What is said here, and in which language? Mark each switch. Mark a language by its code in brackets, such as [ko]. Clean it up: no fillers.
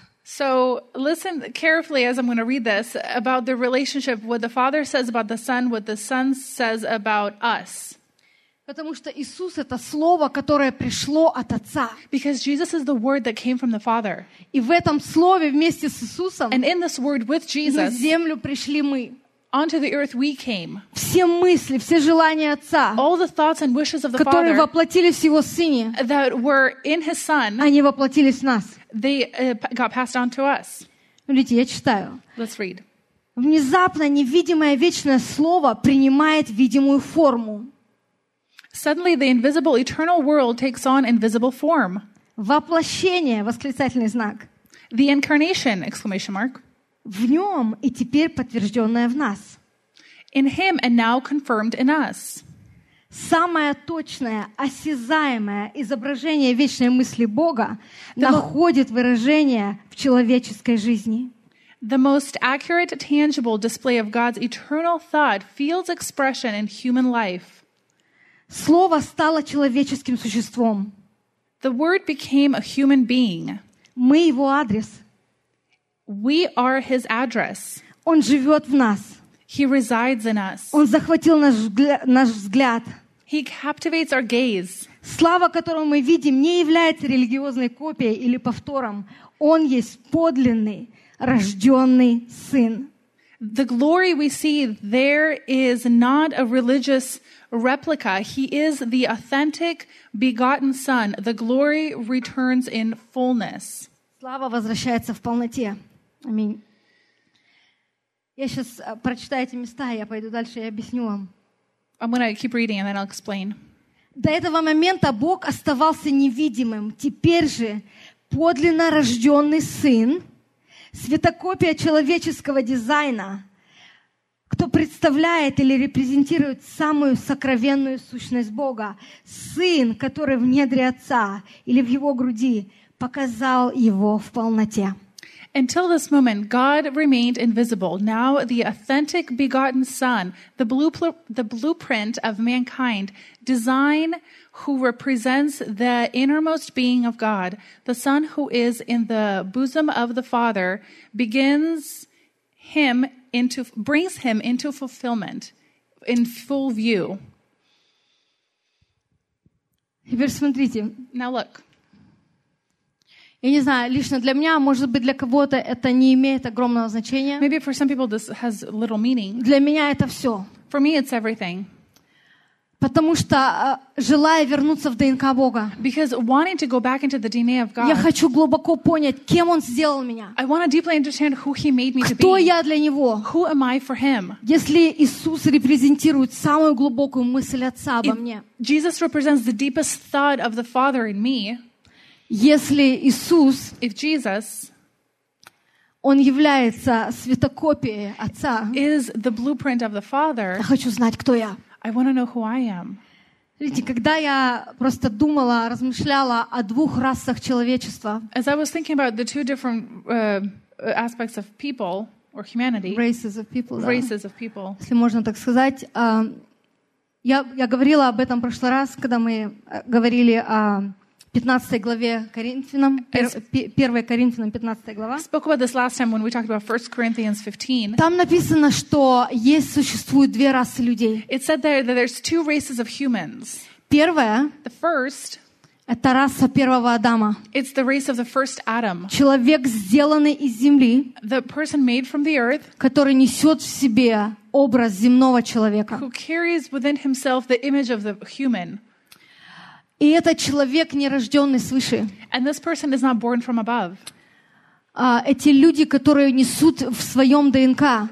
[en] So listen carefully as I'm going to read this about the relationship what the Father says about the Son, what the Son says about us. [ru] Потому что Иисус — это Слово, которое пришло от Отца. [en] Because Jesus is the Word that came from the Father. [ru] И в этом Слове вместе с Иисусом [en] And in this word with Jesus, [ru] на землю пришли мы. [en] Onto the earth we came. [ru] Все мысли, все желания Отца, [en] All the thoughts and wishes of the [ru] которые [en] Father, [ru] воплотились в Его Сыне, [en] that were in His Son, [ru] они воплотились в нас. [en] They got passed on to us. [ru] Видите, я читаю. [en] Let's read. [ru] Внезапно невидимое вечное Слово принимает видимую форму. [en] Suddenly the invisible eternal world takes on invisible form. [ru] Воплощение, восклицательный знак. [en] The incarnation, exclamation mark. [ru] В нем и теперь подтвержденное в нас. [en] In him and now confirmed in us. [ru] Самое точное, осязаемое изображение вечной мысли Бога находит выражение в человеческой жизни. [en] The most accurate, tangible display of God's eternal thought feels expression in human life. [ru] Слово стало человеческим существом. [en] The word became a human being. [ru] Мы его адрес. [en] We are his address. [ru] Он живет в нас. [en] He resides in us. [ru] Он захватил наш взгляд. [en] He captivates our gaze. [ru] Слава, которую мы видим, не является религиозной копией или повтором. Он есть подлинный, рожденный Сын. [en] The glory we see there is not a religious replica. He is the authentic begotten Son. The glory returns in fullness. [ru] Слава возвращается в полноте. Аминь. Я сейчас прочитаю эти места, я пойду дальше и объясню вам. [en] I'm going to keep reading and then I'll explain. [ru] До этого момента Бог оставался невидимым. Теперь же подлинно рожденный Сын, светокопия человеческого дизайна, кто представляет или репрезентирует самую сокровенную сущность Бога, Сын, который в недре Отца или в Его груди, показал Его в полноте. [en] Until this moment, God remained invisible. Now the authentic begotten Son, the blueprint of mankind, design who represents the innermost being of God, the Son who is in the bosom of the Father, brings him into fulfillment in full view. [ru] Теперь смотрите. [en] Now look. [ru] Я не знаю, лично для меня, может быть, для кого-то это не имеет огромного значения. [en] Maybe for some people this has little meaning. [ru] Для меня это все. [en] For me it's everything. [ru] Потому что желая вернуться в ДНК Бога. [en] Because wanting to go back into the DNA of God. [ru] Я хочу глубоко понять, кем Он сделал меня. [en] I want to deeply understand who He made me to be. [ru] Кто я для Него? [en] Who am I for Him? [ru] Если Иисус репрезентирует самую глубокую мысль Отца обо мне. [en] Jesus represents the deepest thought of the Father in me. [ru] Если Иисус, [en] If Jesus, [ru] Он является светокопией Отца, [en] is the blueprint of the Father, [ru] я хочу знать, кто я. [en] I want to know who I am. [ru] Видите, когда я просто думала, размышляла о двух расах человечества, [en] As I was thinking about the two different aspects of people, or humanity, races of people, [ru] если можно так сказать, я говорила об этом в прошлый раз, когда мы говорили о 15 главе Коринфянам, 1 Коринфянам, 15 глава. [en] Spoke about this last time when we talked about 1 Corinthians 15. [ru] Там написано, что есть, существуют две расы людей. [en] It said there that there's two races of humans. [ru] Первая, [en] the first, [ru] это раса первого Адама. [en] It's the race of the first Adam. [ru] Человек, сделанный из земли, [en] the person made from the earth, [ru] который несет в себе образ земного человека. [en] Who carries within himself the image of the human. [ru] И этот человек, нерожденный свыше. [en] And this person is not born from above. [ru] Эти люди, которые несут в своем ДНК